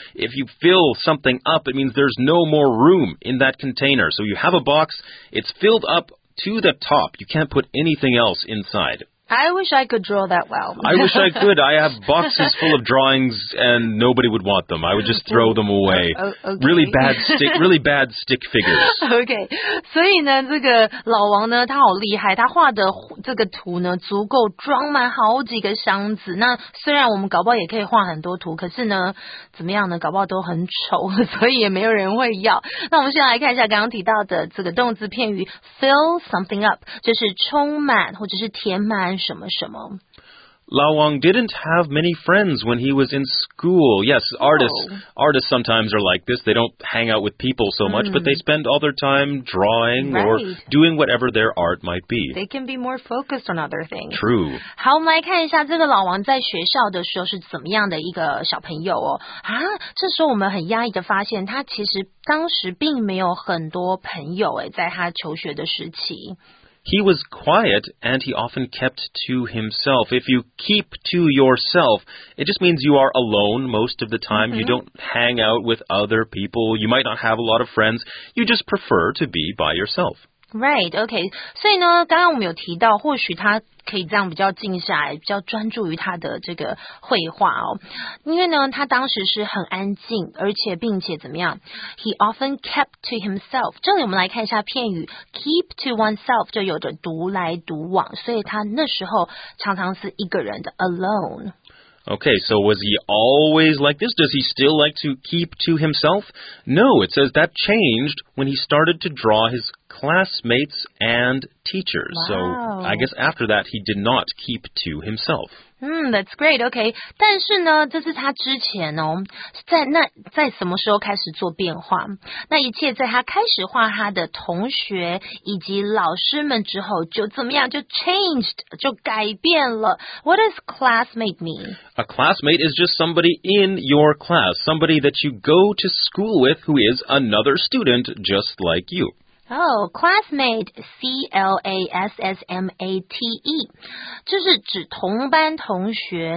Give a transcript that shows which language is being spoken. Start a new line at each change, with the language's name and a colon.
English: If you fill something up, it means there's no more room in that container. So you have a box, it's filled up to the top. You can't put anything else inside. I wish I could draw that well. I wish I could. I have boxes full of drawings and nobody would want them. I would just throw them away. Okay. Really bad stick figures. Okay.
Chinese: 所以呢，这个老王呢，他好厉害。他画的这个图呢，足够装满好几个箱子。那虽然我们搞不好也可以画很多图，可是呢，怎么样呢？搞不好都很丑，所以也没有人会要。那我们先来看一下刚刚提到的这个动词片语 fill something up， 就是充满或者是填满。什么什么
English: Lao Wang didn't have many friends when he was in school. Yes, artists sometimes are like this. They don't hang out with people so much, but they spend all their time drawing right. or doing whatever their art might be. They can be more focused on other things. True.
Chinese: 好，我们来看一下这个老王在学校的时候是怎么样的一个小朋友哦。啊，这时候我们很压抑的发现，他其实当时并没有很多朋友哎，在他求学的时期。
English: He was quiet and he often kept to himself. If you keep to yourself, it just means you are alone most of the time. Mm-hmm. You don't hang out with other people. You might not have a lot of friends. You just prefer to be by yourself. Right, okay.
Chinese: 所以呢，刚刚我们有提到，或许他可以这样比较静下来，比较专注于他的这个绘画哦。因为呢，他当时是很安静，而且并且怎么样 ？
English: He often kept to himself.
Chinese: 这里我们来看一下片语 keep to oneself， 就有着独来独往，所以他那时候常常是一个人的 alone。
English: Okay, so was he always like this? Does he still like to keep to himself? No, it says that changed when he started to draw his classmates and teachers. Wow. So I guess after that, he did not keep to himself. Hmm, that's great, okay.
Chinese: 但是呢，这是他之前哦，在那在什么时候开始做变化？那一切在他开始画他的同学以及老师们之后，就怎么样？就 changed， 就改变了。
English: What does classmate mean? A classmate is just somebody in your class, somebody that you go to school with who is another student just like you.
Chinese: Oh, classmate, C-L-A-S-S-M-A-T-E, 就是指同班同学。